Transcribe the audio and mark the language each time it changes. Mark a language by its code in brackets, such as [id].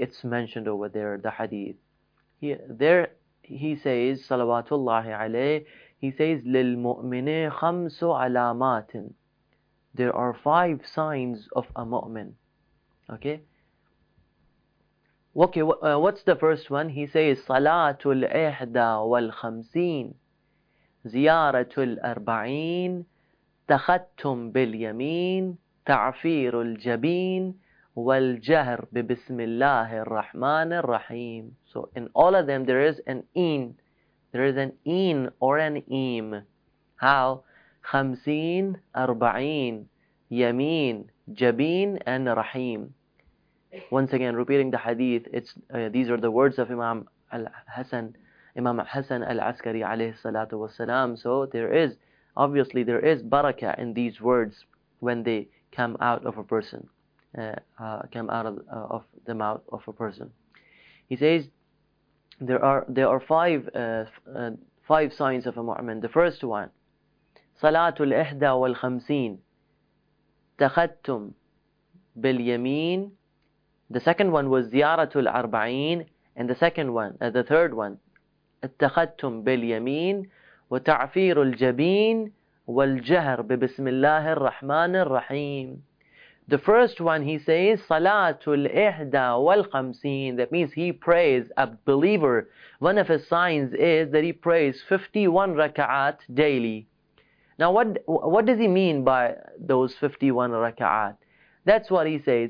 [en] It's mentioned over there, the hadith. He says, salawatullahi alayh, he says, [ar] لِلْمُؤْمِنِ خَمْسُ عَلَامَاتٍ. [en] There are five signs of a mu'min. Okay, what's the first one? He says, [ar] صَلَاتُ الْإِحْدَى وَالْخَمْسِينَ زِيَارَةُ الْأَرْبَعِينَ تختم باليمين تعفير الجبين والجهر ببسم الله الرحمن الرحيم. [en] So in all of them there is an een, there is an een or an eem. How? [ar] خمسين أربعين يمين جبين [en] and [ar] رحيم. [en] Once again repeating the hadith, it's these are the words of Imam Hassan al-Askari [ar] عليه الصلاة والسلام. [en] So there is obviously, there is barakah in these words when they come out of a person, come out of the mouth of a person. He says, there are five signs of a mu'min. The first one, salatul ihda wal khamsin, takhattum bil yameen. The second one was ziyaratul arba'een. And the second one, the third one, takhattum bil yameen, wa ta'firul jabeen. [ar] والجهر ببسم الله الرحمن الرحيم. [en] The first one he says, [ar] صلاة الإحدى والخمسين. [en] That means he prays, a believer. One of his signs is that he prays 51 raka'at daily. Now what does he mean by those 51 raka'at? That's what he says.